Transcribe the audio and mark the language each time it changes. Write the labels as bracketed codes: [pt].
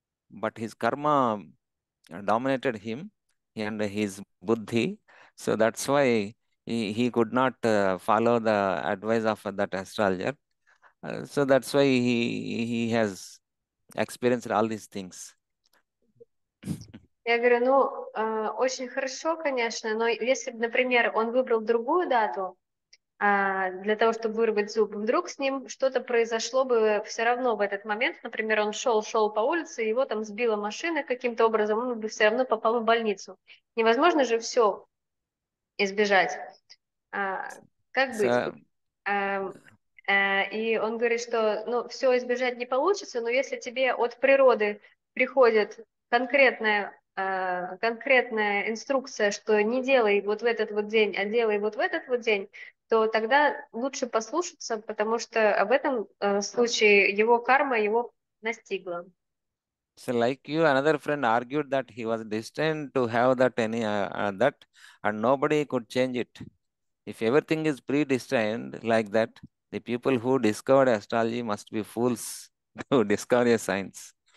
[en] But his karma dominated him and his buddhi. So that's why he could not follow the advice of that astrologer. So that's why he has experienced all these things. [ru] Я говорю, ну, очень хорошо, конечно, но если, например, он выбрал другую дату для того, чтобы вырвать зуб, вдруг с ним что-то произошло бы все равно в этот момент, например, он шел по улице, его там сбила машина каким-то образом, он бы все равно попал в больницу. Невозможно же все избежать. Как быть? И он говорит, что ну, все избежать не получится, но если тебе от природы приходит конкретная инструкция, что не делай вот в этот вот день, а делай вот в этот вот день, то тогда лучше послушаться, потому что в этом случае его карма его настигла. [en] So like you, another friend argued that he was destined to have that any that, and nobody could change it. If everything is predestined like that, the people who discovered astrology must be fools who discover a science.